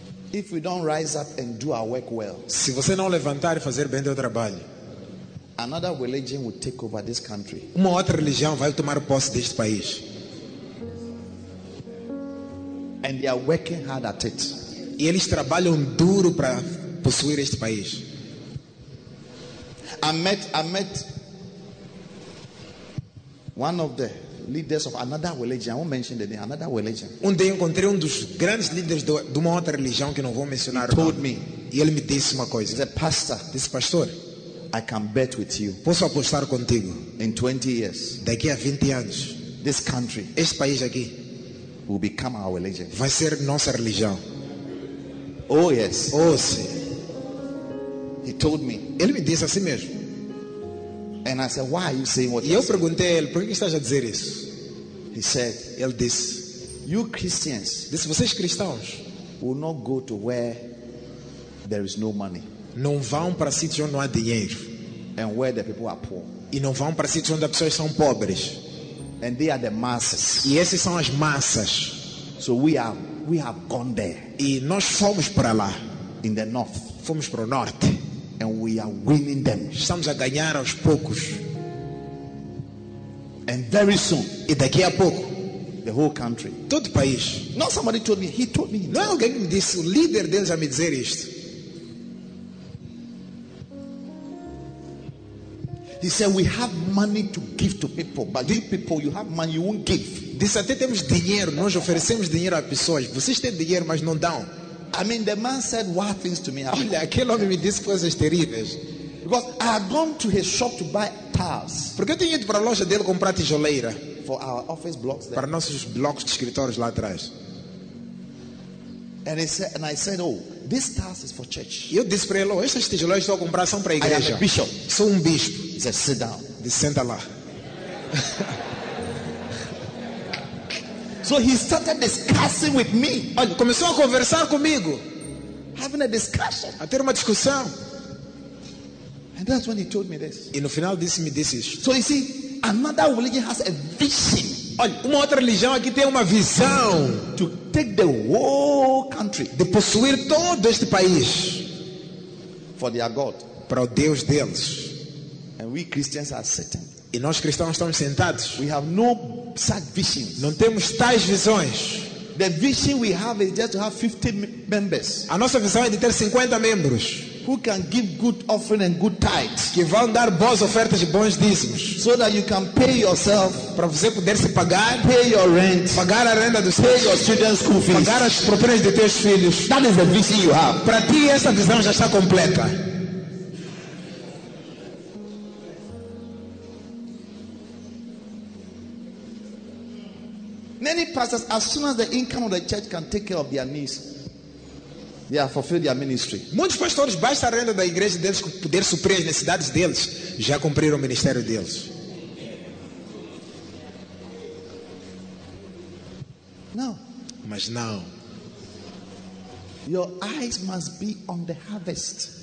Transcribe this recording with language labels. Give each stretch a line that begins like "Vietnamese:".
English: If we don't rise up and do our work well,
Portuguese: se você não levantar e fazer bem o trabalho,
English: another religion will take over this country.
Portuguese: Uma outra religião vai tomar posse deste país.
English: And they are working hard at it.
Portuguese: E eles trabalham duro para possuir este país.
English: I met one of the leaders of another religion. I won't mention the name. Another religion.
Portuguese: Um dia encontrei dos grandes líderes de uma outra religião que não vou mencionar.
English: He told me.
Portuguese: E ele me disse uma coisa.
English: The pastor.
Portuguese: Disse, pastor,
English: I can bet with you.
Portuguese: Posso apostar contigo.
English: In 20 years.
Portuguese: Daqui a 20 anos.
English: This country.
Portuguese: Este país aqui.
English: will become our religion.
Portuguese: Vai ser nossa religião.
English: Oh yes.
Portuguese: Oh sim.
English: He told me.
Portuguese: Ele me disse assim mesmo.
English: And I said, why are you saying what?
Portuguese: E eu perguntei ele, por que estás a dizer isso?
English: He said,
Portuguese: ele disse,
English: you Christians,
Portuguese: disse, vocês cristãos,
English: will not go to where there is no money.
Portuguese: Não vão para sítios onde não há dinheiro.
English: And where the people are poor.
Portuguese: E não vão para sítios onde as pessoas são pobres.
English: And they are the masses.
Portuguese: E esses são as massas.
English: So we have gone there.
Portuguese: E nós fomos para lá.
English: In the north.
Portuguese: Fomos para o norte.
English: And we are winning them.
Portuguese: Estamos a ganhar aos poucos.
English: And very soon,
Portuguese: e daqui a pouco,
English: the whole country,
Portuguese: todo o país.
English: Not somebody told me. He told me.
Portuguese: Não é alguém que me disse. O líder deles a me dizer isto.
English: He said, "We have money to give to people, but you people, you have money, you won't give."
Portuguese: Disse, até temos dinheiro. Nós oferecemos dinheiro às pessoas. Vocês têm dinheiro, mas não dão.
English: I mean, the man said wild things to me.
Portuguese: Olha, aquele homem me disse coisas terríveis.
English: Because I had gone to his shop to buy tiles.
Portuguese: Porque eu tinha ido para a loja dele comprar tijoleira.
English: For our office blocks there.
Portuguese: Para nossos blocos de escritórios lá atrás.
English: And he said, and I said, oh, this tiles is for church.
Portuguese: Eu disse para ele, oh, essas tijoleiras estou a comprar são para a igreja.
English: I am a bishop.
Portuguese: Sou bispo.
English: He said, sit down.
Portuguese: Disse, senta lá.
English: So he started discussing with me.
Portuguese: Olha, começou a conversar comigo.
English: Having a discussion.
Portuguese: A ter uma discussão.
English: And that's when he told me this.
Portuguese: E no final disse-me isso.
English: So you see, another religion has a vision.
Portuguese: Olha, uma outra religião aqui tem uma visão
English: to take the whole country,
Portuguese: de possuir todo este país
English: for their God,
Portuguese: para o Deus deles.
English: And we Christians are sitting.
Portuguese: E nós cristãos estamos sentados.
English: We have no such visions.
Portuguese: Não temos tais visões.
English: The vision we have is just to have 50 members.
Portuguese: A nossa visão é de ter 50 membros.
English: Who can give good offering and good tithes?
Portuguese: Que vão dar boas ofertas e bons dízimos.
English: So that you can pay yourself,
Portuguese: para você poder se pagar,
English: pay your rent,
Portuguese: pagar a renda dos seus,
English: pay your students' school fees,
Portuguese: pagar as propinas de teus filhos.
English: That is the vision you have.
Portuguese: Para ti essa visão já está completa.
English: Many pastors, as soon as the income of the church can take care of their needs, they have fulfilled their ministry.
Portuguese: Muitos pastores, basta a renda da igreja deles poder suprir as necessidades deles, já cumpriram o ministério deles. Não. Mas não.
English: Your eyes must be on the harvest.